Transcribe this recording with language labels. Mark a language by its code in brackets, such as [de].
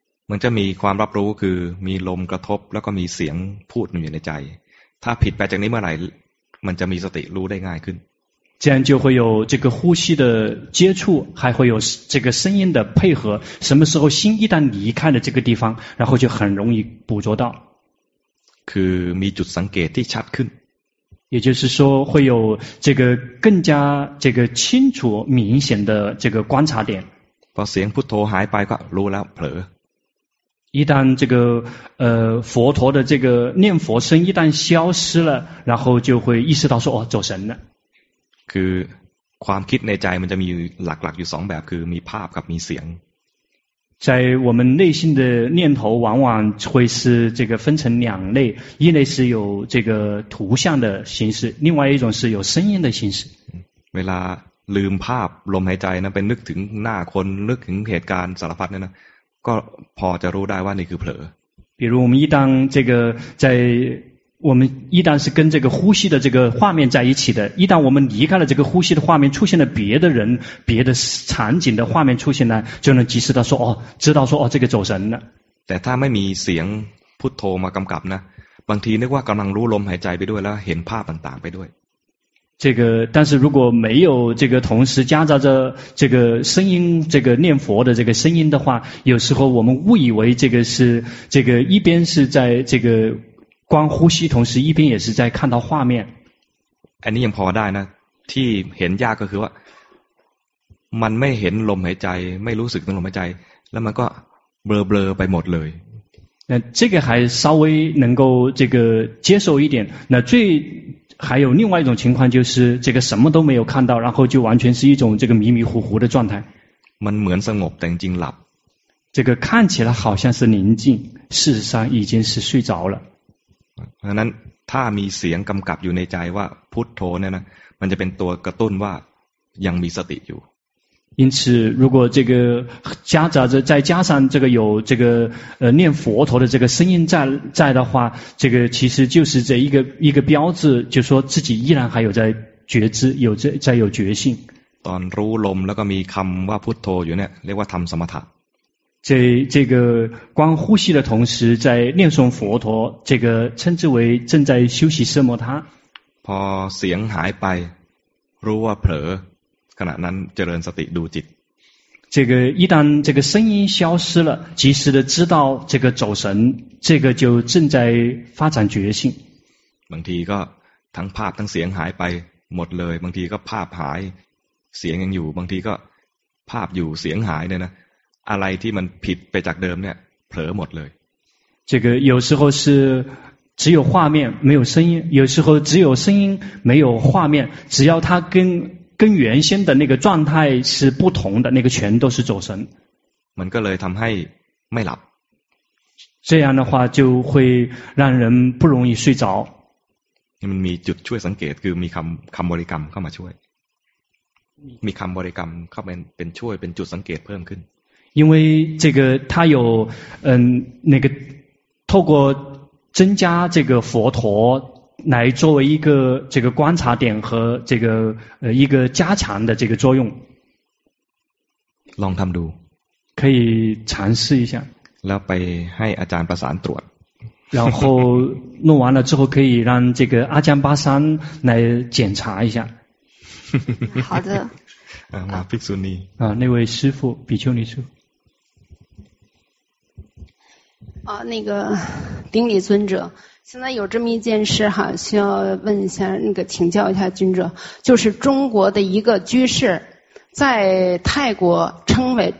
[th] มันจะมีความรับรู้คือมีลมกระทบแล้วก็มีเสียงพูดอยู่ในใจถ้าผิดไปจากนี้เมื่อไหร่มันจะมีสติรู้ได้ง่ายขึ้น [zh] 这样就会有这个呼吸的接触还会有这个声音的配合什么时候心一旦离开了这个地方然后就很容易捕捉到 [th] คือมีจุดสังเกตที่ชัดขึ้น [zh] 也就是说会有这个更加这个清楚明显的这个观察点 [th] พอเสียงพุทโธหายไปก็รู้แล้วเผล [zh] อ一旦这个佛陀的这个念佛声一旦消失了然后就会意识到说哦走神了 [th] คือความคิดในใจมันจะมีหลักๆอยู่สองแบบคือมีภาพกับมีเสียง [zh] 在我们内心的念头往往会是这个分成两类一类是有这个图像的形式另外一种是有声音的形式 [th] เวลาลืมภาพลมหายใจนะเป็นนึกถึงหน้าคนนึกถึงเหตุการณ์สารพัดเนี่ยนะก็พอจะรู้ได้ว่านี่คือเผล [zh] อ比如我们一旦这个在我们一旦是跟这个呼吸的这个画面在一起的一旦我们离开了这个呼吸的画面出现了别的人别的场景的画面出现呢就能及时的说哦知道说哦这个走神了 [th] แต่ถ้าไม่มีเสียงพุทโธมากำกับนะบางทีนึกว่ากำลังรู้ลมหายใจไปด้วยแล้วเห็นภาพต่างๆไปด้วย [zh] 这个但是如果没有这个同时夹杂着这个声音这个念佛的这个声音的话有时候我们误以为这个是这个一边是在这个光呼吸同时一边也是在看到画面 [th] อันนี้ยังพอได้นะที่เห็นยากก็คือว่ามันไม่เห็นลมหายใจไม่รู้สึกถึงลมหายใจแล้วมันก็เบลอเบลอไปหมดเลย [zh] 那这个还稍微能够这个接受一点那最还有另外一种情况就是这个什么都没有看到然后就完全是一种这个迷迷糊糊的状态 [th] มันเหมือนสงบแต่จริงหลับ [zh] 这个看起来好像是宁静事实上已经是睡着了 [th] เพราะนั้น ถ้ามีเสียงกำกับอยู่ในใจว่าพุทโธเนี่ยนะมันจะเป็นตัวกระตุ้นว่ายังมีสติอยู่ [zh] 因此如果这个夹杂着再加上这个有这个念佛陀的这个声音在的话这个其实就是这一个标志就说自己依然还有在觉知有在有觉性 [th] ตอนรู้ลมแล้วก็มีคำว่าพุทโธอยู่เนี่ยเรียกว่าทำสมถะ [zh] 这个光呼吸的同时在念诵佛陀这个称之为正在休息奢摩他 [th] พอเสียงหายไปรู้ว่าเผลอขณะนั้นเจริญสติดูจิต [zh] 这个一旦这个声音消失了及时的知道这个走神这个就正在发展觉性 [th] บางทีก็ทั้งภาพทั้งเสียงหายไปหมดเลยบางทีก็ภาพหายเสียงยังอยู่บางทีก็ภาพอยู่เสียงหายเนี่ยนะอะไรที่มันผิดไปจากเดิมเนี่ยเผลอหมดเลย [zh] 这个有时候是只有画面没有声音有时候只有声音没有画面只要它跟原先的那个状态是不同的那个全都是走神 [th] มันก็เลยทำให้ไม่หลับ [zh] 这样的话就会让人不容易睡着 [th] มันมีจุดช่วยสังเกตคือมีคำบริกรรมเข้ามาช่วยมีคำบริกรรมเข้าเป็นช่วยเป็นจุดสังเกตเพิ่มขึ้น [zh] 因为这个它有那个透过增加这个佛陀来作为一个这个观察点和这个一个加强的这个作用 [th] ลองทำดู [zh] 可以尝试一下 [th] แล้วไปให้อาจารย์ประสานตรวจ [zh] 然后弄完了之后可以让这个阿江巴山来检查一下好的马比丘尼那位师父比丘尼师父那个顶礼尊者现在有这么一件事哈，需要问一下那个请教一下尊者，就是中国的一个居士，在泰国称